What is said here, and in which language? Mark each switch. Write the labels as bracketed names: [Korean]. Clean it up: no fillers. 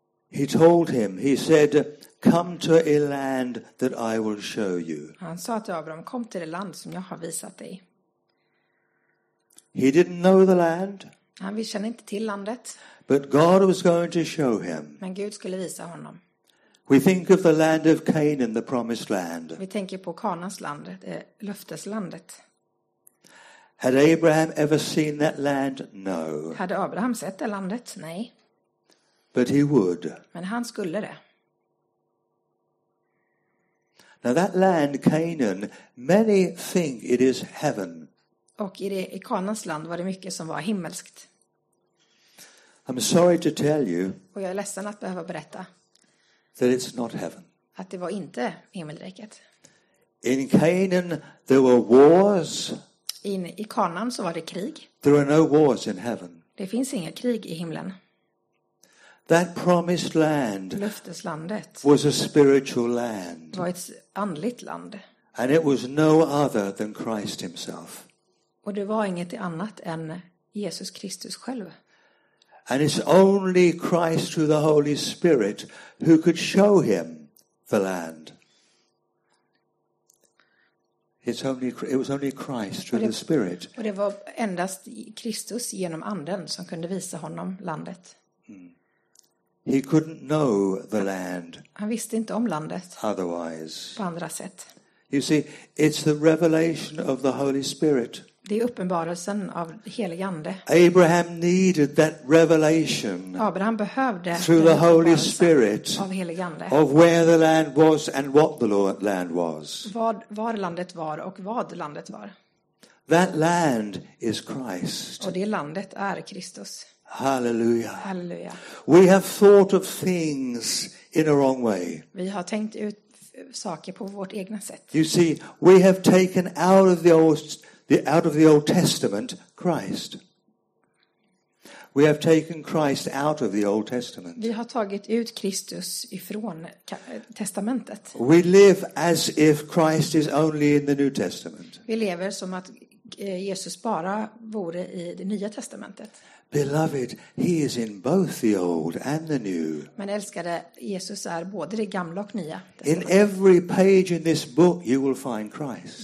[English] He told him, he said, come to a land that I will show you. [Swedish] Han sa till Abraham, kom till det land som jag har visat dig. [English] He didn't know the land. [Swedish] Han kände inte till landet. [English] But God was going to show him. [Swedish] Men Gud skulle visa honom. [English] We think of the land of Canaan, the promised land. [Swedish] Vi tänker på Kanaans land, löfteslandet. [English] Had Abraham ever seen that land? No. [Swedish] Hade Abraham sett det landet? Nej. [English] But he would. [Swedish] Men han skulle det. [English] Now that land, Canaan, many think it is heaven. [Swedish] Och i Kanaans land var det mycket som var himmelskt. [English] I'm sorry to tell you. [Swedish] Och jag är ledsen att behöva berätta. [English] That it's not heaven. [Swedish] Att det var inte himmelriket. [English] In Canaan there were wars. [Swedish] I Kanaan så var det krig. [English] There are no wars in heaven. [Swedish] Det finns inga krig i himlen. [English] That promised land. [Swedish] Löfteslandet. [English] Was a spiritual land. [Swedish] Var ett andligt land. [English] And it was no other than Christ himself. [Swedish] Och det var inget annat än Jesus Kristus själv. [English] And it's only Christ through the Holy Spirit who could show him the land. It was only Christ through the Spirit. [Swedish] Och det var endast Kristus genom anden som kunde visa honom landet. [English] Mm. He couldn't know the land. [Swedish] Han visste inte om landet. [English] Otherwise. [Swedish] På andra sätt. [English] You see, it's the revelation of the Holy Spirit. [Swedish] Det är uppenbarelsen av helige ande. [English] Abraham needed that revelation. [Swedish] Abraham behövde [English] through the Holy Spirit [Swedish] av helige ande. [English] Of where the land was and what the land was. [Swedish] Var landet var och vad landet var. [English] That land is Christ. [Swedish] Och det landet är Kristus. [English] Hallelujah. [Swedish] Hallelujah. [English] We have thought of things in a wrong way. [Swedish] Vi har tänkt ut saker på vårt egna sätt. [English] You see, we have taken out of the Old Testament Christ. We have taken Christ out of the Old Testament. [Swedish] Vi har tagit ut Kristus ifrån testamentet. [English] We live as if Christ is only in the New Testament. [Swedish] Vi lever som att Jesus bara vore i det nya testamentet. [English] Beloved, he is in both the old and the new. [Swedish] Men älskade, Jesus är både det gamla och nya. [English] In every page in this book you will find Christ.